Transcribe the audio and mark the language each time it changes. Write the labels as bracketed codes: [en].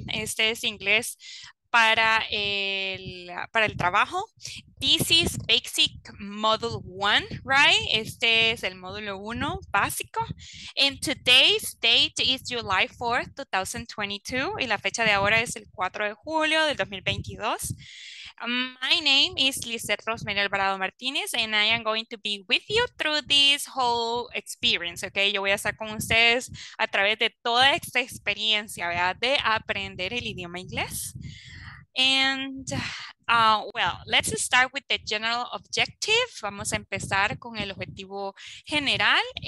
[es] Este es inglés para el trabajo. [en] This is basic module one, right? [es] Este es el módulo uno básico. [en] And today's date is July 4th, 2022. [es] Y la fecha de ahora es el 4 de julio del 2022. [en] My name is Lizeth Rosemary Alvarado Martinez, and I am going to be with you through this whole experience, okay? [es] Yo voy a estar con ustedes a través de toda esta experiencia, ¿verdad? De aprender el idioma inglés. [en] And, well, let's start with the general objective. [es] Vamos a empezar con el objetivo general.